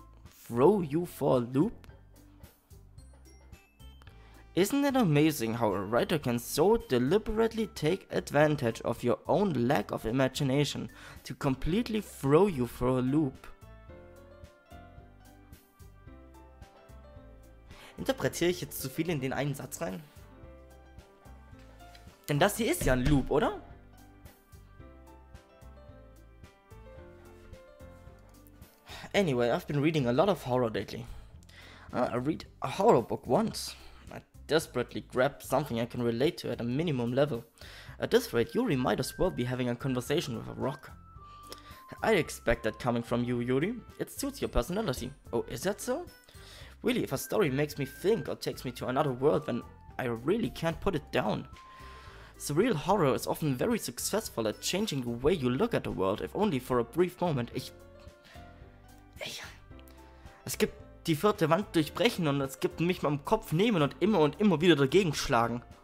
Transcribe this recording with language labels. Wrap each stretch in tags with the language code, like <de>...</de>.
<en>throw you for a loop? Isn't it amazing how a writer can so deliberately take advantage of your own lack of imagination to completely throw you for a loop?</en> <de>Interpretiere ich jetzt zu viel in den einen Satz rein? Denn das hier ist ja ein Loop, oder?</de> <en>Anyway, I've been reading a lot of horror lately. I read a horror book once. I desperately grab something I can relate to at a minimum level. At this rate, Yuri might as well be having a conversation with a rock. I expect that coming from you, Yuri. It suits your personality. Oh, is that so? Really, if a story makes me think or takes me to another world, then I really can't put it down. Surreal horror is often very successful at changing the way you look at the world, if only for a brief moment.</en> <de>Es gibt die vierte Wand durchbrechen und es gibt mich beim Kopf nehmen und immer wieder dagegen schlagen.</de>